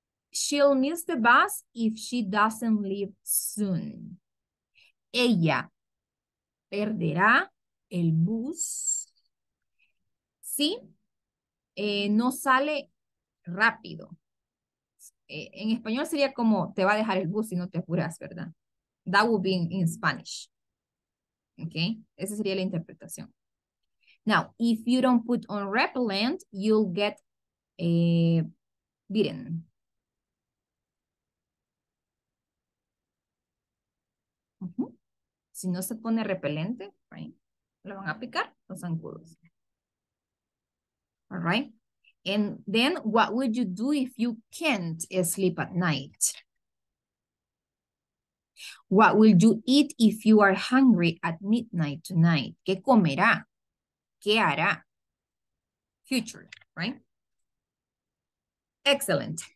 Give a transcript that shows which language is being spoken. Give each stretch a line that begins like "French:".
English: She'll miss the bus if she doesn't leave soon.
Spanish: Ella perderá el bus si no sale rápido. En español sería como te va a dejar el bus si no te apuras, ¿verdad?
English: That would be in Spanish. Okay,
Spanish: esa sería la interpretación.
English: Now, if you don't put on repellent, you'll get bitten. Uh-huh.
Spanish: Si no se pone repelente, right, lo van a picar los zancudos.
English: All right. And then what would you do if you can't sleep at night? What will you eat if you are hungry at midnight tonight?
Spanish: ¿Qué comerá? ¿Qué hará?
English: Future, right? Excellent.